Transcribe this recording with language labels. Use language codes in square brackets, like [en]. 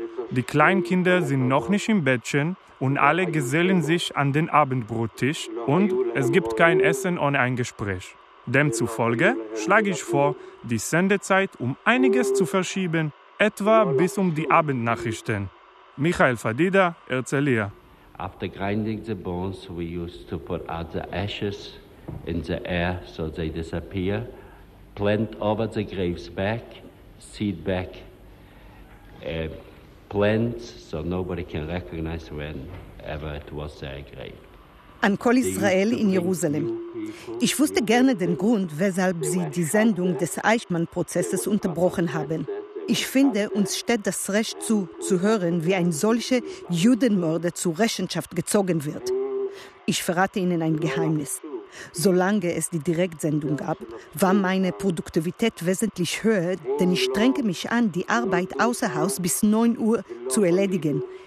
[de] Die Kleinkinder sind noch nicht im Bettchen und alle gesellen sich an den Abendbrottisch. Und es gibt kein Essen ohne ein Gespräch. Demzufolge schlage ich vor, die Sendezeit um einiges zu verschieben, etwa bis um die Abendnachrichten. Michael Fadida, Erzählia. [en] After grinding the bones, we used to put out the ashes in the air so they disappear, plant over the graves back, seed back plants so nobody can recognize whenever it was their grave. [de] An Kol Israel in Jerusalem. Ich wusste gerne den Grund, weshalb sie die Sendung des Eichmann-Prozesses unterbrochen haben. Ich finde, uns steht das Recht zu hören, wie ein solcher Judenmörder zur Rechenschaft gezogen wird. Ich verrate Ihnen ein Geheimnis. Solange es die Direktsendung gab, war meine Produktivität wesentlich höher, denn ich strenge mich an, die Arbeit außer Haus bis 9 Uhr zu erledigen.